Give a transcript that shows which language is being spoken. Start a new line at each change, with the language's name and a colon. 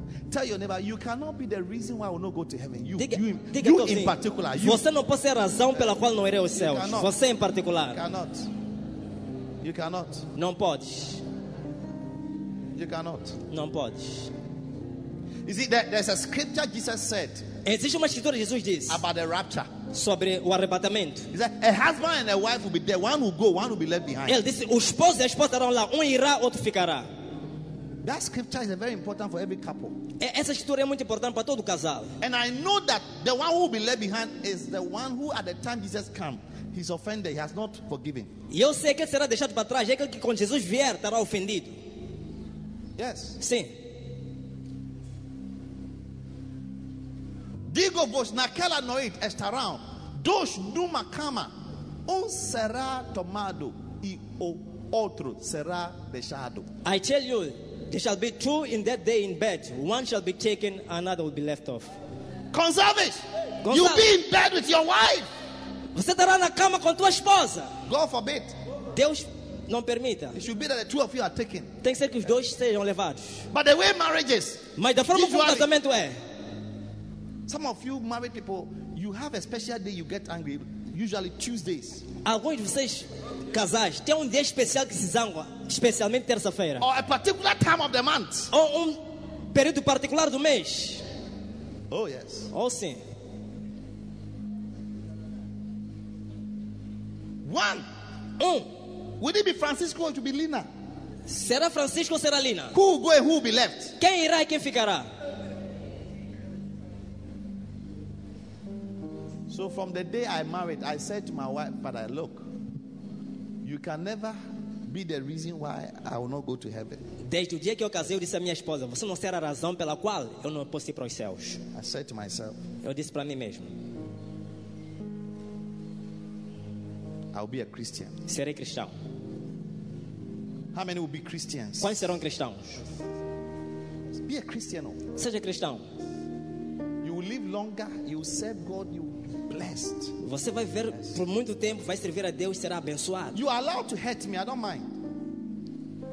English: Tell your neighbor, you cannot be the reason why I will not go to heaven. You,
Portuguese: diga,
English: you,
Portuguese: diga
English: you in particular. You,
Portuguese: você não pode ser a razão pela qual não irei ao céu. Você em particular.
English: You cannot.
Portuguese: Não pode.
English: You cannot.
Portuguese: Não pode.
English: You see, there's a scripture Jesus said.
Portuguese: Existe uma escritura que Jesus diz.
English: About the rapture.
Portuguese: Sobre o arrebatamento.
English: He said, a husband and a wife will be there. One will go, one will be left behind.
Portuguese: Ele disse, o esposo e a esposa estarão lá. Um irá, outro ficará.
English: That scripture is very important for every couple.
Portuguese: Essa história é muito importante para todo casal.
English: And I know that the one who will be left behind is the one who, at the time Jesus comes, he's offended, he has not forgiven.
Portuguese: E eu sei que será deixado para trás, é aquele que quando Jesus vier estará ofendido.
English: Yes.
Portuguese: Sim. Digo vos naquela noite estarão dois numa cama, um será tomado e o outro será deixado.
English: I tell you, there shall be two in that day in bed. One shall be taken, another will be left off. Conserve it. You be in bed with your wife.
Portuguese: Você estará na cama com tua esposa.
English: God forbid.
Portuguese: Deus não permita.
English: It should be that the two of you are taken.
Portuguese: Tem que ser que os dois sejam levados.
English: But the way marriage is.
Portuguese: Mas da forma como o casamento é.
English: Some of you married people, you have a special day you get angry. Usually Tuesdays.
Portuguese: Alguns de vocês casais têm dia especial que se zangam, especialmente terça-feira.
English: Or a particular time of the month.
Portuguese: Ou período particular do mês.
English: Oh yes.
Portuguese: Ou sim.
English: One. Will it be Francisco or it will be Lina?
Portuguese: Será Francisco ou será Lina?
English: Who will go and who will be left?
Portuguese: Quem irá e quem ficará?
English: So from the day I married, I said to my wife, "Father, look, you can never be the reason why I will not go to heaven."
Portuguese: Desde o dia que eu casei, eu disse à minha esposa, "Você não será a razão pela qual eu não posso ir para os céus."
English: I said to myself.
Portuguese: Eu disse para mim mesmo.
English: I'll be a Christian.
Portuguese: Serei cristão.
English: How many will be Christians?
Portuguese: Quais serão cristãos?
English: Be a Christian.
Portuguese: Seja cristão.
English: You will live longer. You will serve God. You will be blessed.
Portuguese: Você vai ver por muito tempo, vai servir a Deus, será abençoado.
English: You are allowed to hurt me. I don't mind.